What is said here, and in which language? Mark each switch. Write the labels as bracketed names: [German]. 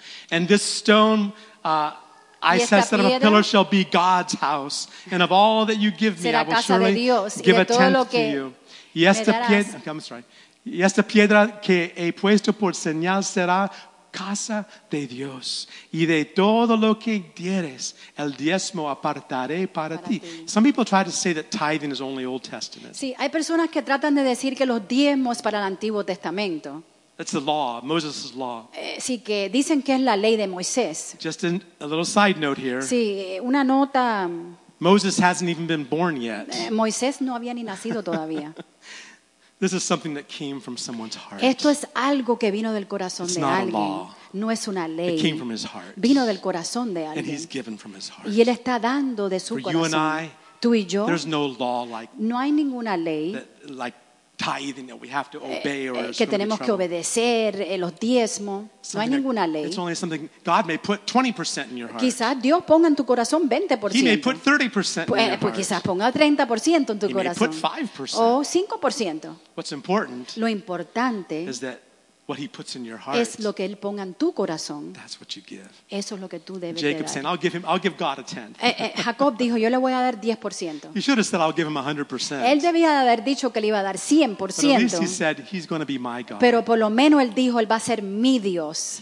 [English] And this stone I says that of a pillar shall be God's house, and of all that you give me, I will surely give a tenth to you. [Spanish] Y esta piedra, [English] I'm sorry. [Spanish] Y esta piedra que he puesto por señal será casa de Dios. Y de todo lo que dieres, el diezmo apartaré para ti. [English] Some people try to say that tithing is only Old Testament. [Spanish] Sí, hay personas que tratan de decir que los diezmos para el Antiguo Testamento. [English] That's the law, Moses' law. [Spanish] Sí, que dicen que es la ley de Moisés. [English] Just a little side note here. [Spanish] Sí, una nota. [English] Moses hasn't even been born yet. [Spanish] Moisés no había ni nacido todavía. [English] This is something that came from someone's heart. [Spanish] Esto es algo que vino del corazón [English] it's [Spanish] de alguien. [English] It's not a law. [Spanish] No es una ley. [English] It came from his heart. [Spanish] Vino del corazón de alguien. [English] And he's given from his heart. [Spanish] Y él está dando de su [English] for [Spanish] corazón. [English] For you and I, [Spanish] tú y yo, [English] there's no law like [Spanish] no hay ninguna ley. [English] That, like tithing that we have to obey or [Spanish] que tenemos que obedecer los diezmos [English] something [Spanish] no hay ninguna ley [English] it's only something God may put 20% in your heart [Spanish] quizás Dios ponga en tu corazón [English] 20% he may put 30% [Spanish] pues, [English] in your heart [Spanish] pues quizás ponga 30% en tu [English] he [Spanish] corazón [English] may put 5% [Spanish] o 5% [English] what's important [Spanish] lo importante [English] is that what he puts in your heart [Spanish] es lo que él ponga en tu corazón [English] that's what you give [Spanish] eso es lo que tú debes [English] Jacob's [Spanish] de dar [English] saying, I'll give God a tenth [Spanish] Jacob dijo yo le voy a dar 10% [English] he should have said I'll give him 100% [Spanish] él debía haber dicho que le iba a dar 100% [English] but at least he said he's going to be my God [Spanish] pero por lo menos él dijo él va a ser mi Dios